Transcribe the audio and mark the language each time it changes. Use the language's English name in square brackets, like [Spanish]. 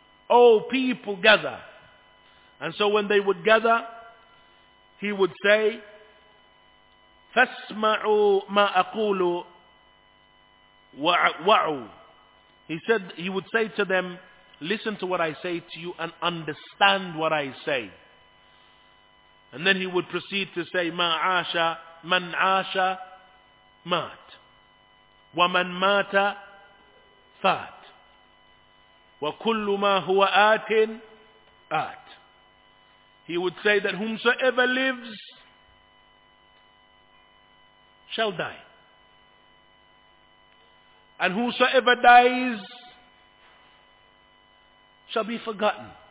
[English] Oh people, gather. And so when they would gather, he would say, [Arabic] فَاسْمَعُوا مَا أَقُولُ وَعُوا. [English] He said, he would say to them, listen to what I say to you and understand what I say. And then he would proceed to say, [Arabic] مَا عَاشَ مَنْ عَاشَ مَاتْ وَمَنْ مَاتَ فَاتْ وَكُلُّ مَا هُوَ آتٍ آتْ. [English] He would say that whomsoever lives shall die, and whosoever dies shall be forgotten.